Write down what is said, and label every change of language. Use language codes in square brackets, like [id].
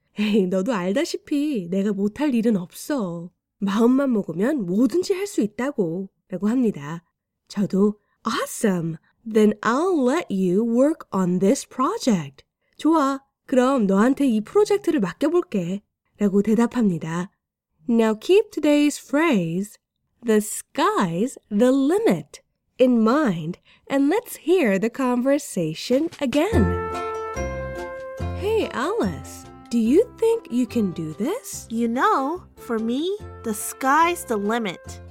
[ko] Hey, 너도 알다시피 내가 못할 일은 없어. 마음만 먹으면 뭐든지 할 수 있다고 라고 합니다. 저도 [en] Awesome! Then I'll let you work on this project. [ko] 좋아. 그럼 너한테 이 프로젝트를 맡겨볼게 라고 대답합니다. [en] Now keep today's phrase, the sky's the limit, in mind, and let's hear the conversation again. Hey Alice, do you think you can do this? You know, for me, the sky's the limit.